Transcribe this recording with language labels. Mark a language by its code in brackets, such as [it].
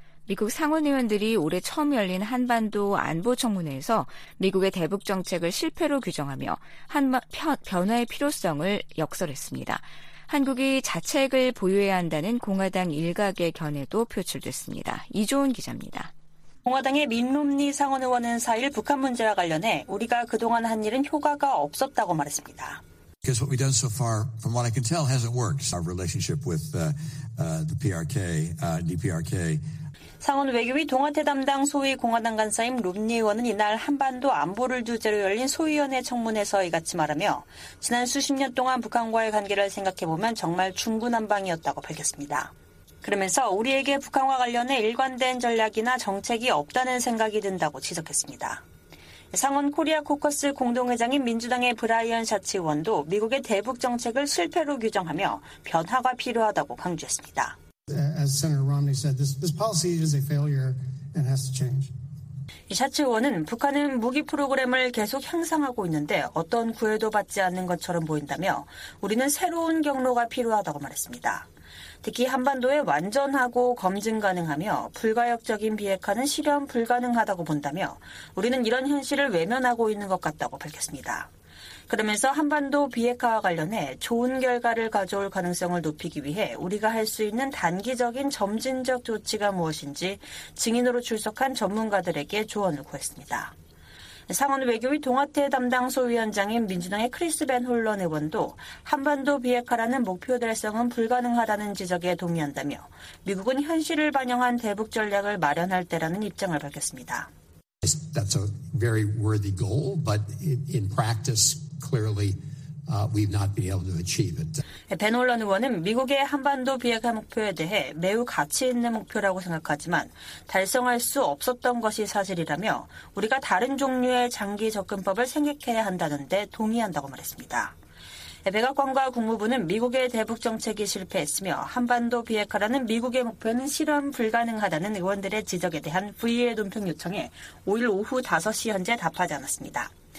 [ko] 미국 상원의원들이 올해 처음 열린 한반도 안보청문회에서 미국의 대북 정책을 실패로 규정하며 변화의 필요성을 역설했습니다. 한국이 자책을 보유해야 한다는 공화당 일각의 견해도 표출됐습니다. 이조은 기자입니다. 공화당의 민롬니 상원의원은 4일 북한 문제와 관련해 우리가 그동안 한 일은 효과가 없었다고 말했습니다. [en] Because what we've done so far, from what I can tell, hasn't worked. Our relationship with the PRK, DPRK. [ko] 상원 외교위 동아태 담당 소위 공화당 간사인 롬니 의원은 이날 한반도 안보를 주제로 열린 소위원회 청문회에서 이같이 말하며 지난 수십 년 동안 북한과의 관계를 생각해보면 정말 중구난방이었다고 밝혔습니다. 그러면서 우리에게 북한과 관련해 일관된 전략이나 정책이 없다는 생각이 든다고 지적했습니다. 상원 코리아 코커스 공동회장인 민주당의 브라이언 샤츠 의원도 미국의 대북 정책을 실패로 규정하며 변화가 필요하다고 강조했습니다. [en] As Senator Romney said, this policy is a failure and has to change. [ko] 샤츠 의원은 북한은 무기 프로그램을 계속 향상하고 있는데 어떤 구애도 받지 않는 것처럼 보인다며 우리는 새로운 경로가 필요하다고 말했습니다. 특히 한반도에 완전하고 검증 가능하며 불가역적인 비핵화는 실현 불가능하다고 본다며 우리는 이런 현실을 외면하고 있는 것 같다고 밝혔습니다. 그러면서 한반도 비핵화와 관련해 좋은 결과를 가져올 가능성을 높이기 위해 우리가 할 수 있는 단기적인 점진적 조치가 무엇인지 증인으로 출석한 전문가들에게 조언을 구했습니다. 상원 외교위 동아태 담당 소위원장인 민주당의 크리스 벤 홀런 의원도 한반도 비핵화라는 목표 달성은 불가능하다는 지적에 동의한다며 미국은 현실을 반영한 대북 전략을 마련할 때라는 입장을 밝혔습니다. [en] That's a very worthy goal, but in practice, clearly, we've not been able to achieve it. [ko] 벤 홀런 의원은 미국의 한반도 비핵화 목표에 대해 매우 가치 있는 목표라고 생각하지만 달성할 수 없었던 것이 사실이라며 우리가 다른 종류의 장기 접근법을 생각해야 한다는데 동의한다고 말했습니다. 백악관과 국무부는 미국의 대북 정책이 실패했으며 한반도 비핵화라는 미국의 목표는 실현 불가능하다는 의원들의 지적에 대한 부의회 논평 요청에 5일 오후 5시 현재 답하지 않았습니다.